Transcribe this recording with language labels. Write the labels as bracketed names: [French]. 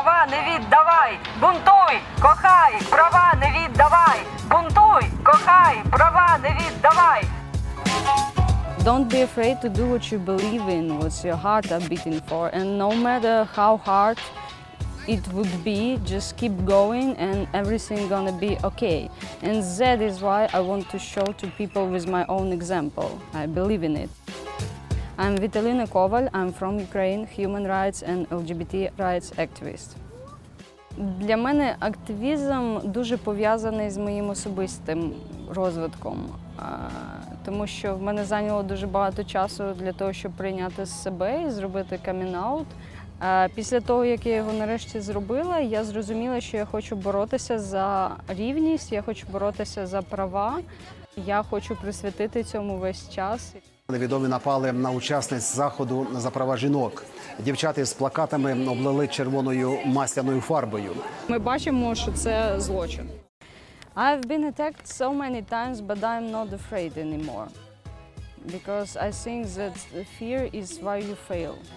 [Ukrainian] не віддавай, бунтуй, кохай, права не віддавай, бунтуй, кохай, права не віддавай. [English] Don't be afraid to do what you believe in, what your heart are beating for, and no matter how hard it would be, just keep going and everything gonna be okay. And that is why I want to show to people with my own example. I believe in it. I'm Vitalina Koval, I'm from Ukraine, human rights and LGBT rights activist. [Ukrainian] Для мене активізм дуже пов'язаний з моїм особистим розвитком. Тому що в мене зайняло дуже багато часу для того, щоб прийняти себе і зробити камінаут. Після того, як я його нарешті зробила, я зрозуміла, що я хочу боротися за рівність, я хочу боротися за права, я хочу присвятити цьому весь час. Невідомі напали на учасниць заходу за права жінок. Дівчата з плакатами облили червоною масляною фарбою. Ми бачимо, що це злочин. [English] I've been attacked so many times, but I'm not afraid anymore. Because I think that fear is why you fail.